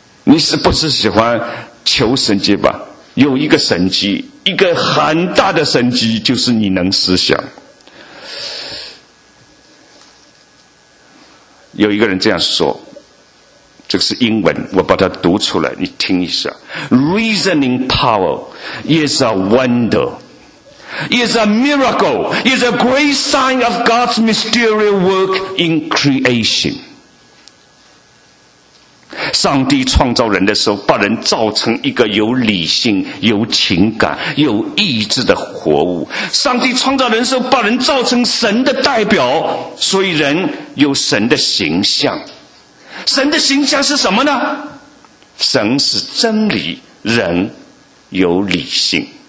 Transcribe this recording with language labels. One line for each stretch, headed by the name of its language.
Chinese: 你是不是喜欢求神迹吧？有一个神迹，一个很大的神迹，就是你能思想。有一个人这样说，这是英文，我把它读出来，你听一下。
English: Reasoning power is a wonder, is a miracle, is a great sign of God's mysterious work in creation。
Chinese: 上帝创造人的时候，把人造成一个有理性、有情感、有意志的活物。上帝创造人的时候，把人造成神的代表，所以人有神的形象。神的形象是什么呢？神是真理，人有理性。